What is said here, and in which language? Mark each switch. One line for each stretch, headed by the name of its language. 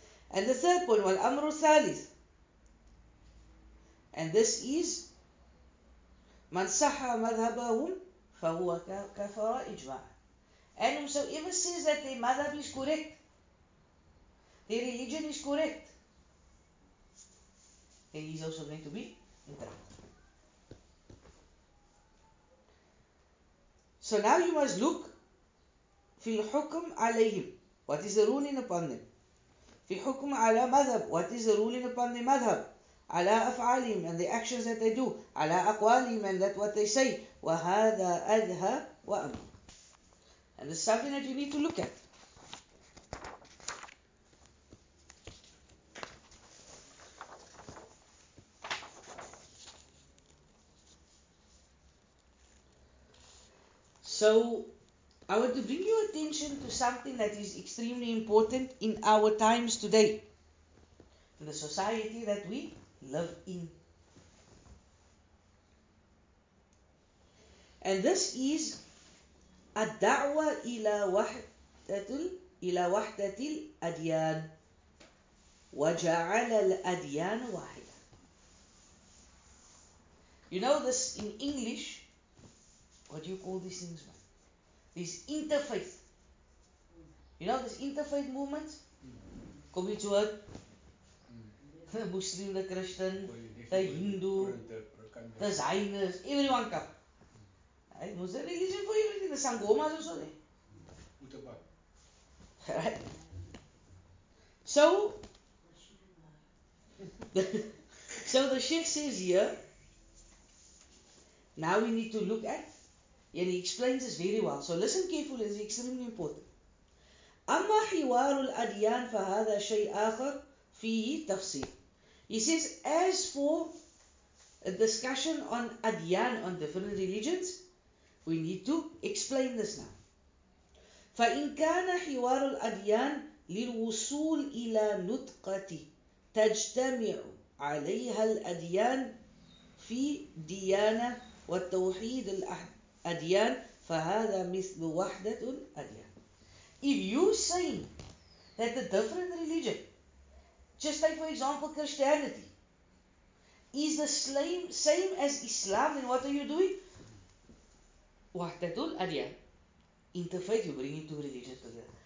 English: And the third point,
Arabic: wal amru thalith,
English: and this is
Arabic: man saha madhabahum fahuwa kafara ijma'.
English: And whosoever says that their madhab is correct, their religion is correct, then he's also going to be in trouble. So now you must look
Arabic: في الحكم عليهم.
English: What is the ruling upon them?
Arabic: في حكم على
English: madhab. What is the ruling upon the madhab?
Arabic: على أفعالهم
English: and the actions that they do.
Arabic: على أقوالهم
English: and that what they say.
Arabic: وهذا أدهى وأمر.
English: And this is something that you need to look at. So, I want to bring your attention to something that is extremely important in our times today. to the society that we live in. And this is
Arabic: الدعوة إلى وحدة الأديان وجعل الأديان واحدة.
English: You know this in English, what do you call these things? This interfaith. You know this interfaith movement? Come to what? The Muslim, the Christian, the Hindu, the Zionist, everyone come. Hey, was there religion for everything? The Sangomas also there. Right. So the Sheikh says here, now we need to look at, and he explains this very well. So listen carefully, it's extremely important.
Arabic: أما حوار الأديان فهذا شيء آخر فيه تفصيل.
English: He says, as for a discussion on Adyan, on different religions, we need to explain this now.
Arabic: فإن كان حوار الأديان للوصول إلى نطقة تجتمع عليها الأديان في ديانة والتوحيد الأديان فهذا مثل وحدة الأديان.
English: If you say that the different religion, just like for example Christianity, is the same as Islam, then what are you doing?
Arabic: وحدة الأديان.
English: Interfaith, you bring two religions together.